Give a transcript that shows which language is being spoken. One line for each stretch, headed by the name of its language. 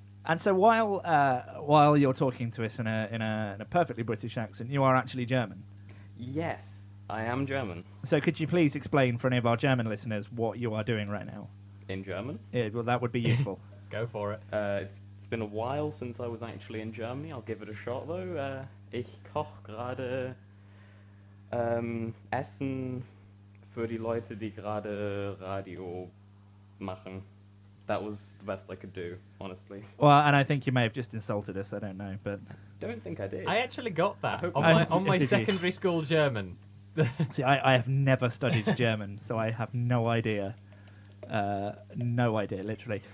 English: And so while you're talking to us in a perfectly British accent, you are actually German. Yes, I am German. So could you please explain for any of our German listeners what you are doing right now? In German? Yeah, well, that would be useful. Go for it. It's been a while since I was actually in Germany. I'll give it a shot, though.
German: Ich koche gerade Essen für die Leute, die gerade Radio machen.
English: That was the best I could do, honestly. Well, and I think you may have just insulted us. I don't know, but... Don't think I did. I actually got that on my secondary school German. See, I have never studied German, so I have no idea. No idea, literally.